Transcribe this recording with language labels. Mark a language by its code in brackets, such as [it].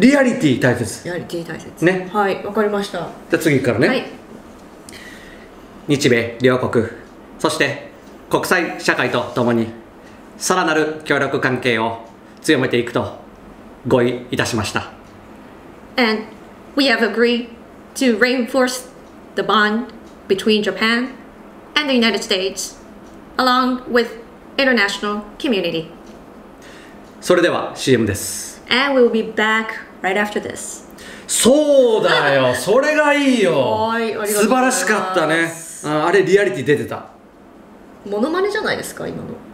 [ja] リアリティ大切。リアリティ大切。ね。はい、わかりました。じゃあ次からね。はい。日米両国、そして国際社会とともに、さらなる協力関係を強めていくと合意いたしました。 [en] And we have agreed to reinforce the bond between Japan and the United States, along with international community. [ja] それでは CM です。 [en] And we will be back right after this. [ja] そうだよ、それがいいよ。素晴らしかったね。あれリアリティ出てた。モノマネじゃないですか今の。